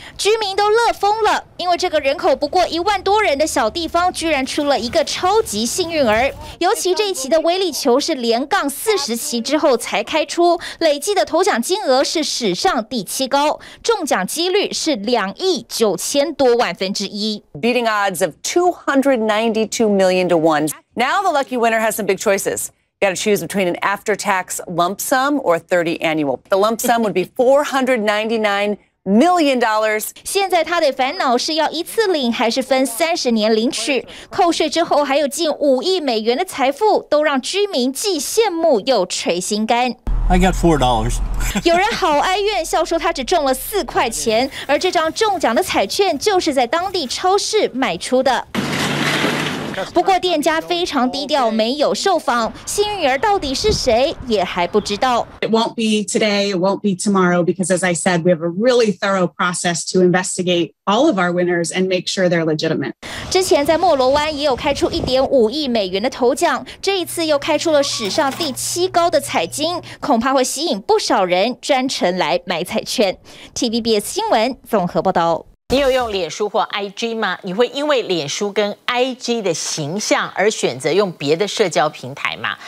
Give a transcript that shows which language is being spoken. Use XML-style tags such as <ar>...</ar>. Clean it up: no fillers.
<zh>居民都乐疯了，因为这个人口不过10,000多人的小地方，居然出了一个超级幸运儿。尤其这一期的威力球是连杠40期之后才开出，累计的头奖金额是史上7高，中奖几率是2.9亿分之1。</zh> <en>Beating odds of 292 million to 1. Now the lucky winner has some big choices. You got to choose between an after-tax lump sum or 30 annual. The lump sum would be $499 million.</en> <zh>现在他得烦恼是要一次领还是分30年领取，扣税之后还有近5亿美元的财富，都让居民既羡慕又垂心肝。</zh> <en>I got $4.</en> <zh>有人好哀怨，笑说他只中了4块钱，而这张中奖的彩券就是在当地超市买出的。不过店家非常低调，没有受访，幸运儿到底是谁也还不知道。</zh> <en>It won't be today, it won't be tomorrow, because as I said, we have a really thorough process to investigate all of our winners and make sure they're legitimate.</en> <zh>之前在莫罗湾也有开出1.5亿美元的头奖，这一次又开出了史上第7高的彩金，恐怕会吸引不少人专程来买彩券。 TVBS 新闻综合报道。你有用脸书或 IG 吗？你会因为脸书跟 IG 的形象而选择用别的社交平台吗？</zh>